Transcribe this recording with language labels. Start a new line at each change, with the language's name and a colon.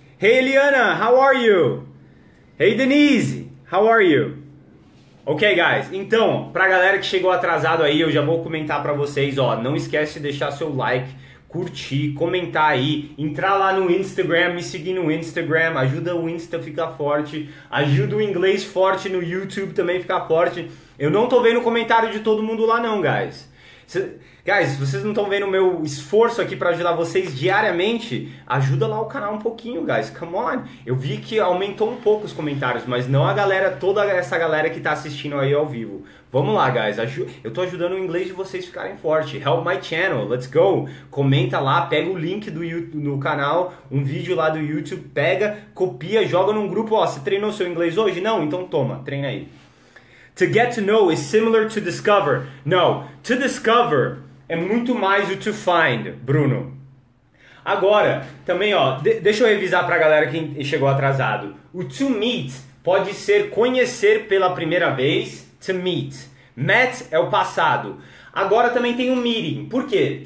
English: Hey, Eliana, how are you? Hey, Denise. How are you? Ok, guys.
Portuguese: Então, pra galera que chegou atrasado aí, eu já vou comentar pra vocês, ó. Não esquece de deixar seu like, curtir, comentar aí, entrar lá no Instagram, me seguir no Instagram, ajuda o Insta a ficar forte, ajuda o inglês forte no YouTube também ficar forte. Eu não tô vendo o comentário de todo mundo lá não, guys. Guys, vocês não estão vendo o meu esforço aqui para ajudar vocês diariamente? Ajuda lá o canal um pouquinho, guys.
English: Come on.
Portuguese: Eu vi que aumentou um pouco os comentários, mas não a galera, toda essa galera que está assistindo aí ao vivo. Vamos lá, guys. Eu estou ajudando o inglês de vocês ficarem forte.
English: Help my channel. Let's go.
Portuguese: Comenta lá, pega o link do YouTube, no canal, um vídeo lá do YouTube, pega, copia, joga num grupo. Ó, você treinou seu inglês hoje? Não? Então toma, treina aí.
English: To get to know is similar to discover.
Portuguese: No, to discover é muito mais o to find, Bruno. Agora, também, ó, deixa eu revisar para a galera que chegou atrasado. O to meet pode ser conhecer pela primeira vez, to meet. Met é o passado. Agora também tem o meeting. Por quê?